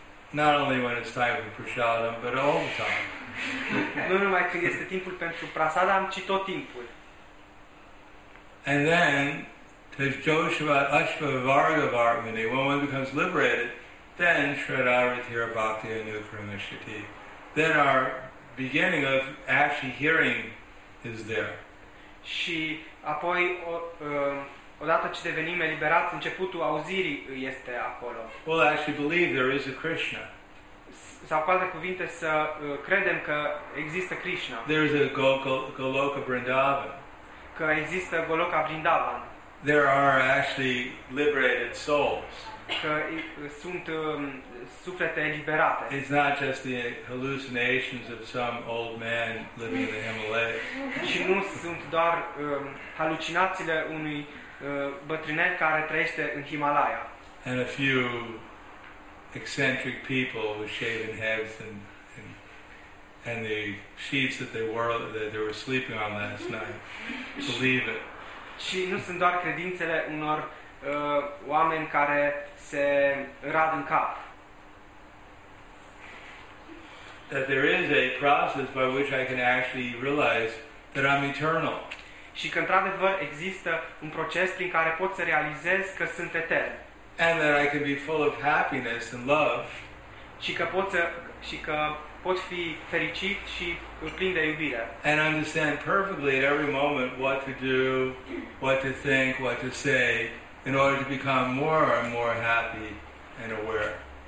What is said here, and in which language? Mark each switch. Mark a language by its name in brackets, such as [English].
[English] Not only when it's time for prasadam, but all the time. [Romanian] Nu numai când este timpul pentru prasadam, ci tot timpul. [English] And then, there's Joshua Ashvavargavarmini. When one becomes liberated, then [Sanskrit] Shraddharatira Bhakti Anukramishati. [English] Then our beginning of actually hearing is there. [Romanian] Și apoi, odată ce devenim eliberați, începutul auzirii este acolo. [English] Well, actually believe there is a Krishna. [Romanian] Sau cu alte cuvinte, să credem că există Krishna. [English] There is a Goloka Vrindavan. [Romanian] Că există Goloka Vrindavan. [English] There are actually liberated souls. [Romanian] Că sunt suflete eliberate. [English] It's not just the hallucinations of some old man living in the Himalayas. [Romanian] Și nu sunt doar halucinațiile unui bătrânel care trăiește în Himalaya. [English] And a few eccentric people with shaven heads and the sheets that they were sleeping on last night. Believe it. [Romanian] Și nu sunt doar credințele unor oameni care se rad în cap. [English] That there is a process by which I can actually realize that I'm eternal. [Romanian] Și că într-adevăr există un proces prin care pot să realizez că sunt etern. [English] And that I can be full of happiness and love. [Romanian] Și că pot fi fericit și plin de iubire. [English] And understand perfectly at every moment what to do, what to think, what to say in order to become more and more happy and aware.